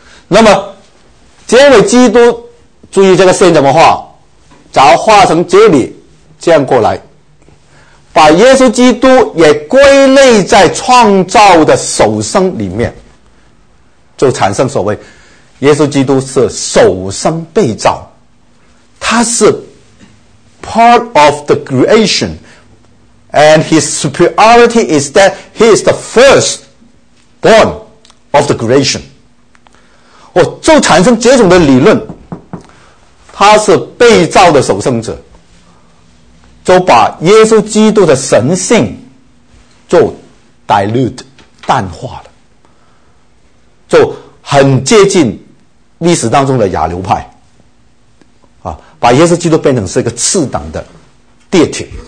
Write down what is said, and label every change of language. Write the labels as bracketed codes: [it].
[zh] 那么，这位基督，注意这个线怎么画，只要画成这里，这样过来，把耶稣基督也归类在创造的首生里面，就产生所谓，耶稣基督是首生被造。他是 [en] part of the creation and his superiority is that he is the first born of the creation。 [zh] 我就产生这种的理论，他是被造的守生者，就把耶稣基督的神性就 dilute 淡化了，就很接近历史当中的亚流派，把耶稣基督变成是一个次等的 deity。